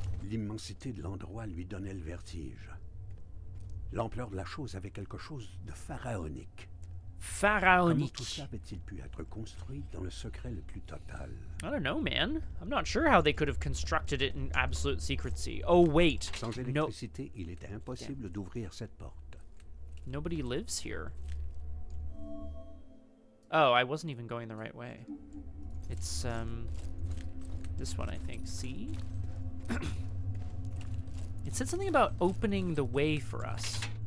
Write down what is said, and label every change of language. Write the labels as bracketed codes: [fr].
[fr] L'immensité de l'endroit lui donnait le vertige. L'ampleur de la chose avait quelque chose de pharaonique. Pharaonique. Comment tout ça avait-il pu être construit dans le secret le plus total? [en] I don't know, man. I'm not sure how they could have constructed it in absolute secrecy. Oh, wait. [fr] Sans électricité, il était impossible d'ouvrir cette porte. [en] Nobody lives here. Oh, I wasn't even going the right way. It's, this one, I think. See? It said something about opening the way for us.